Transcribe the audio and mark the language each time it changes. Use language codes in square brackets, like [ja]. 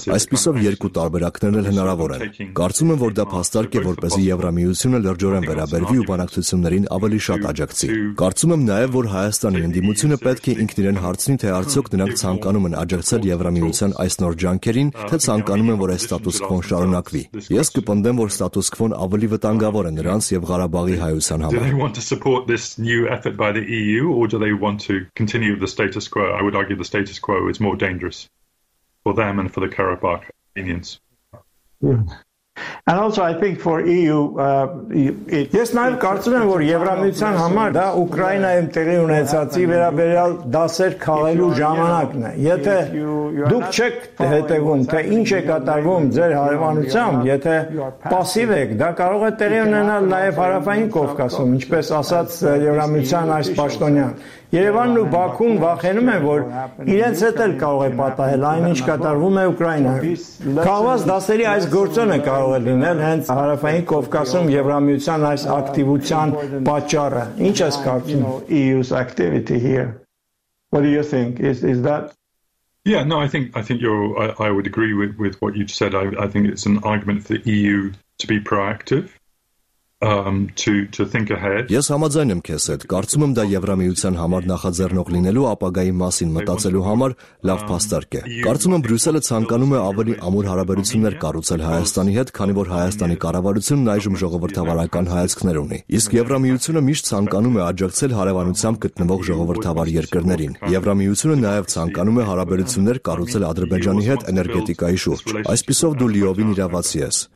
[hy] Այսպիսով երկու տարբերակներն էլ հնարավոր են։ Կարծում եմ, որ դա փաստարկ է, որպեսզի Եվրամիությունը լրջորեն վերաբերվի ու բանակցություններին ավելի շատ աջակցի։ Կարծում եմ նաեւ, որ Հայաստանի ընդդիմությունը պետք է ինքն իրեն հարցնի, թե արդյոք նրանք ցանկանում են աջակցել Եվրամիության այս նոր ջանքերին, թե ցանկանում են, որ այս ստատուս քվոն շարունակվի։ Ես կպնդեմ, որ ստատուս քվոն ավելի վտանգավոր է նրանց եւ Ղարաբաղի հայության։ [en] Do they want to support this new effort by the EU, or do they want to continue the status quo? I would argue the status quo is more dangerous for them and for the Karabakh Armenians. And also I think for EU it [hy] Yes, նաև կարծում եմ որ եվրամիության համար դա Ուկրաինայում տեղի ունեցածի վերաբերյալ դասեր քաղելու ժամանակն է։ Եթե դուք չեք հետևում, թե ինչ է կատարվում ձեր հարևանությամբ, եթե պասիվ եք, դա կարող է տեղի ունենալ նաև Հարավային Կովկասում, ինչպես ասաց եվրամիության այս պաշտոնյան։ Երևանն ու Բաքուն վախենում են, որ իրենց հետ էլ կարող է պատահել այն, ինչ կատարվում է Ուկրաինայում։ Կահված դասերի այս գործոնը կարող է լինել հենց Հարավային Կովկասում եվրամիության այս ակտիվության պատճառը։ Ինչ ես կարծում [en] EU's activity here? What do you think? Is that? Yeah, no, I think you're I would agree with what you've said. I think it's an argument for the EU to be proactive. To think ahead. [hy] Ես համաձայն եմ քեզ հետ, կարծում եմ դա եվրամիության համար նախաձեռնող լինելու ապագայի մասին մտածելու համար լավ փաստարկ է։ Կարծում եմ Բրյուսելը ցանկանում է ավելի ամուր հարաբերություններ կառուցել Հայաստանի հետ, քանի որ Հայաստանի կառավարությունն այժմ ժողովրդավարական հայացքներ ունի։ Իսկ եվրամիությունը միշտ ցանկանում է աջակցել հարևանությամբ գտնվող ժողովրդավար երկրներին։ Եվրամիությունը նաև ցանկանում է հարաբերություններ կառուցել Ադրբեջանի հետ էներգետիկայի շուրջ։ Այսպիսով դու լիովին իրավացի ես։